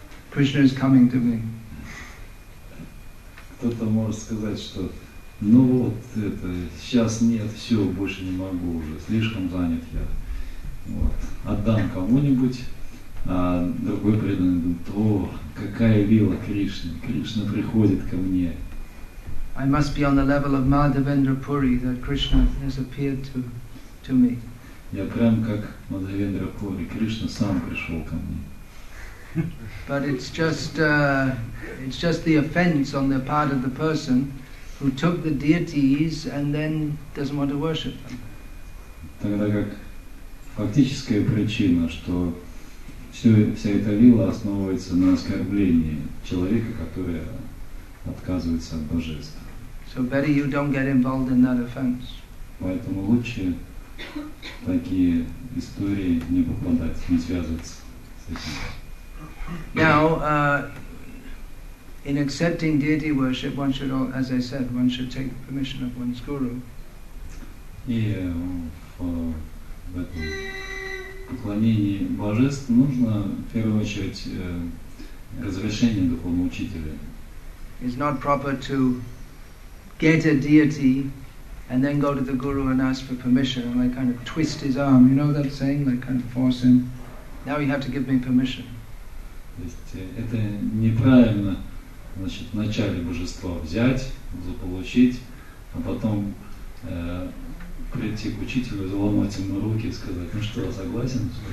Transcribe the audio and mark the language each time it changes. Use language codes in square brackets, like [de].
[en] Krishna is coming to me. [ru] Кто-то может сказать, что ну вот это, сейчас нет, все, больше не могу уже, слишком занят я. Вот. Отдам кому-нибудь, а другой преданный думает, о, какая лила Кришны, Кришна приходит ко мне. [en] I must be on the level of Madhavendra Puri, that Krishna has appeared to me. [ru] Я прям как Мадхавендра Пури, Кришна сам пришел ко мне. [en] But it's just the offense on the part of the person who took the deities and then doesn't want to worship them. [ru] Тогда как фактическая причина, что вся эта лила основывается на оскорблении человека, который отказывается от божества. [en] So better you don't get involved in that offense. [ru] Поэтому лучше такие истории не попадать, не связываться с этим. [en] Now, in accepting deity worship, one should, as I said, one should take the permission of one's guru. [ru] В этом поклонении божеств нужно, в первую очередь, разрешение духовного учителя. [en] It's not proper to get a deity and then go to the guru and ask for permission, and like kind of twist his arm. You know that saying, like kind of force him. Now you have to give me permission. [ru] То есть это неправильно, значит, вначале божество взять, заполучить, а потом прийти к учителю, заломать ему руки и сказать, ну что, согласен?